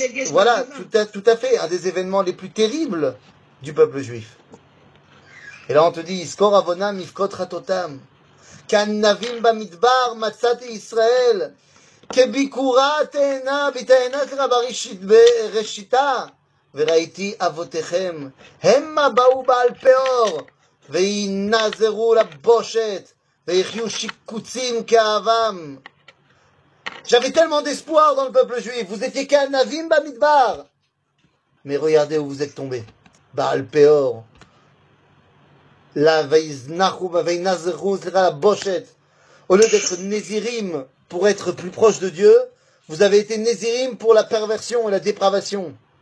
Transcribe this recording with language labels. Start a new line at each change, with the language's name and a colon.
French: Voilà, tout à fait. Un des événements les plus terribles du peuple juif. Et là, on te dit,
Hebrew: yiskor avonam, yifkot chatotam. כנבים במדבר מצאתי ישראל כביקורה תהנה בתהנה כרבה ראשיתה וראיתי אבותיכם המה באו בעל פאור וינזרו לבושת ויחיו שיקוצים כאבם.
French: J'avais tellement d'espoir dans le peuple juif. Vous étiez
Hebrew: כנבים במדבר.
French: Mais regardez où vous êtes tombé. בעל פאור. Au lieu d'être Nézirim pour être plus proche de Dieu, vous avez été Nézirim pour la perversion et la dépravation.